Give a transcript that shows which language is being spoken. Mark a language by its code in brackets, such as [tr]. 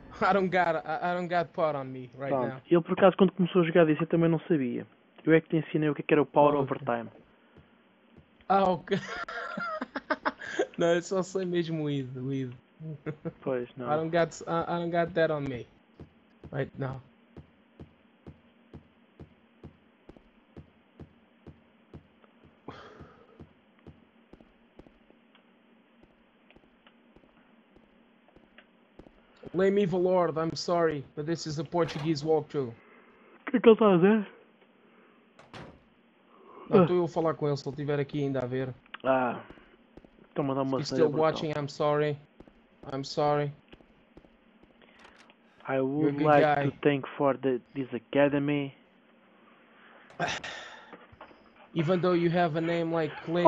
[en] I don't got POT on me right [pt] Bom, [en] now. [pt] Ele, por acaso, quando começou a jogar desse, eu também não sabia. Eu é que lhe ensinei o que era o Power Overtime. Ah, ok. Não, eu só sei mesmo o id. Pois não. [en] I don't got that on me. Right now. Lame Evil Lord, I'm sorry, but this is a Portuguese walkthrough. [pt] Que ele está a dizer? Não, estou eu a falar com ele se ele estiver aqui ainda a ver. Ah. Estou a mandar uma cena. [en] Still watching, I'm sorry. I'm sorry. I would like to thank for this academy. Even though you have a name like Clint.